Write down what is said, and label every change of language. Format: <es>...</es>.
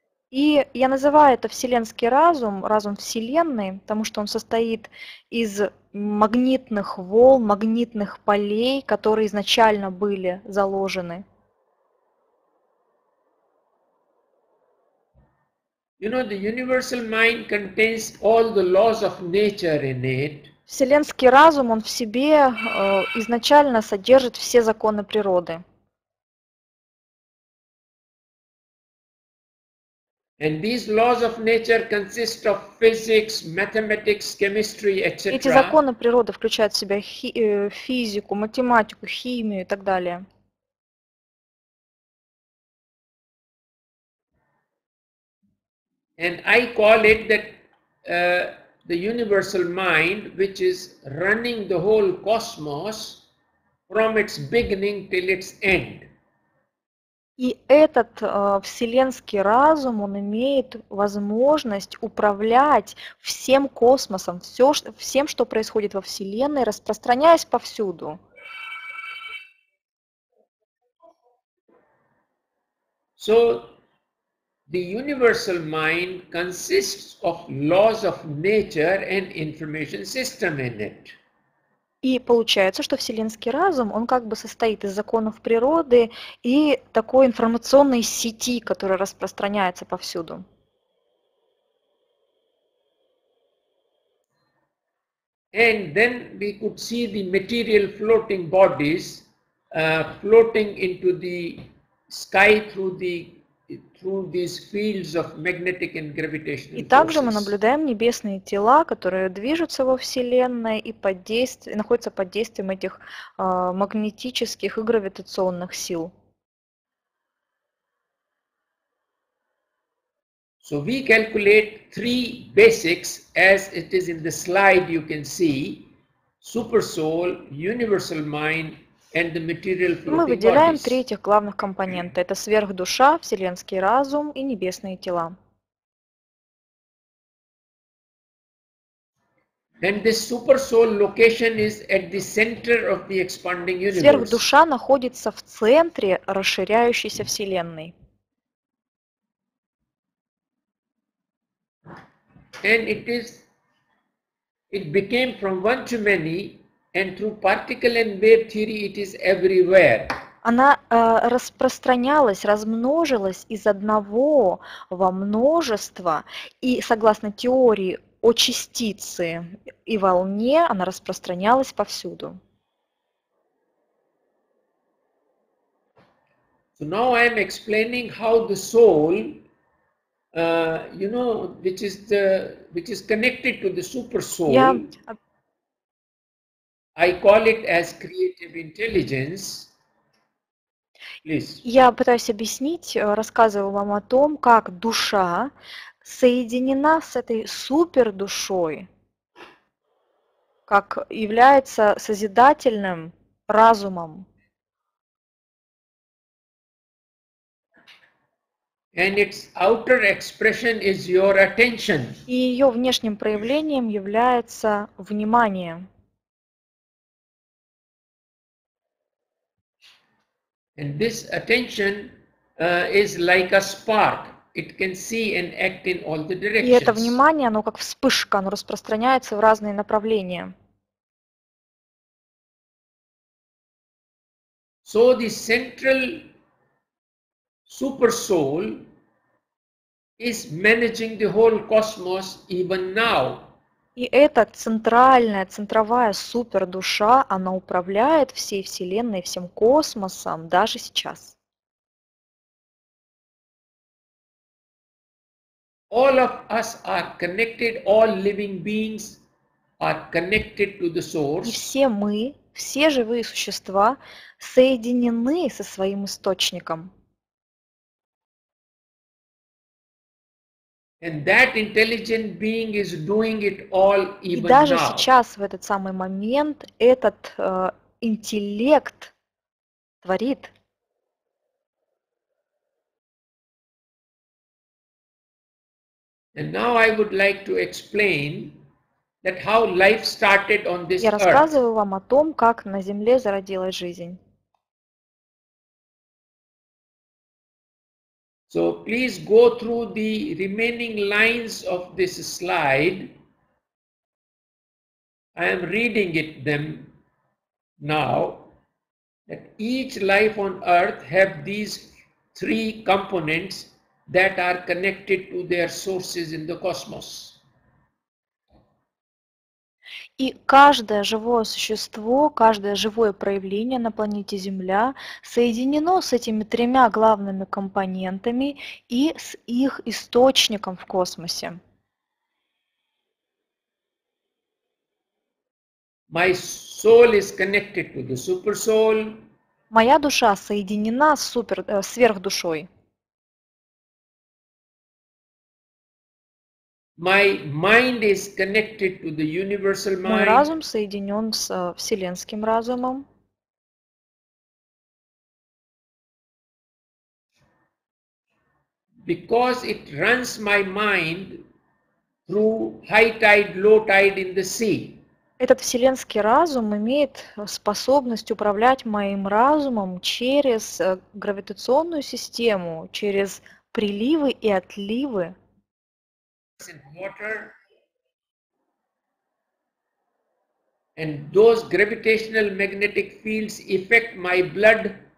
<ru>И я называю это вселенский разум, разум Вселенной, потому что он состоит из магнитных волн, магнитных полей, которые изначально были заложены.</ru> <en>You know, the universal mind contains all the laws of nature in it.</en> <ru>Вселенский разум, он в себе изначально содержит все законы природы.</ru> <en>And these laws of nature consist of physics, mathematics, chemistry, etc.</en> <ru>Эти законы природы включают в себя физику, математику, химию и так далее.</ru> <en>And I call it that the universal mind, which is running the whole cosmos from its beginning till its end.</en> <ru>И этот вселенский разум, он имеет возможность управлять всем космосом, всем, что происходит во Вселенной, распространяясь повсюду.</ru> <en>So, the universal mind consists of laws of nature and information system in it.</en> <ru>И получается, что вселенский разум, он как бы состоит из законов природы и такой информационной сети, которая распространяется повсюду.</ru> <en>And then we could see the material floating bodies floating into the sky through these fields of magnetic and gravitational forces.</en> <ru>И также мы наблюдаем небесные тела, которые движутся во Вселенной и находятся под действием этих магнетических и гравитационных сил.</ru> <en>So we calculate three basics, as it is in the slide you can see, super soul, universal mind, and the material floating</en> <ru>Мы выделяем</ru> <en>bodies.</en> <ru>Три этих главных компонента. Это сверхдуша, вселенский разум и небесные тела.</ru> <en>then this super soul location is at the center of the expanding universe.</en> <ru>Сверхдуша находится в центре расширяющейся вселенной.</ru> <en>And it became from one to many, and through particle and wave theory it is everywhere.</en> <ru>Она распространялась, размножилась из одного во множество, и согласно теории о частице и волне, она распространялась повсюду.</ru> <en>So now I am explaining how the soul, you know, which is connected to the super soul. Yeah. I call it as creative intelligence. Please.</en> <ru>Я пытаюсь объяснить, рассказываю вам о том, как душа соединена с этой супердушой, как является созидательным разумом.</ru> <en>And its outer expression is your attention.</en> <ru>И ее внешним проявлением является внимание.</ru> <en>And this attention is like a spark. It can see and act in all the directions.</en> <ru>И это внимание, оно как вспышка, оно распространяется в разные направления.</ru> <en>So the central super soul is managing the whole cosmos even now.</en> <ru>И эта центральная, центровая супердуша, она управляет всей Вселенной, всем космосом даже сейчас.</ru> <en>All of us are connected, all living beings are connected to the source.</en> <ru>И все мы, все живые существа соединены со своим источником.</ru> <en>And that intelligent being is doing it all even now.</en> <ru>И даже сейчас, в этот самый момент, этот интеллект творит.</ru> <en>And now I would like to explain that how life started on this earth.</en> <ru>Я рассказываю вам о том, как на Земле зародилась жизнь.</ru> <en>So please go through the remaining lines of this slide. I am reading it them now. That each life on earth have these three components that are connected to their sources in the cosmos.</en> <ru>И каждое живое существо, каждое живое проявление на планете Земля соединено с этими тремя главными компонентами и с их источником в космосе.</ru> <en>My soul is connected to the super soul.</en> <ru>Моя душа соединена с сверхдушой.</ru> <en>My mind is connected to the universal mind.</en> <ru>Мой разум соединен с вселенским разумом.</ru> <en>Because it runs my mind through high tide, low tide in the sea.</en> <ru>Этот вселенский разум имеет способность управлять моим разумом через гравитационную систему, через приливы и отливы.</ru> <en>In water, and those gravitational magnetic fields affect my blood.</en>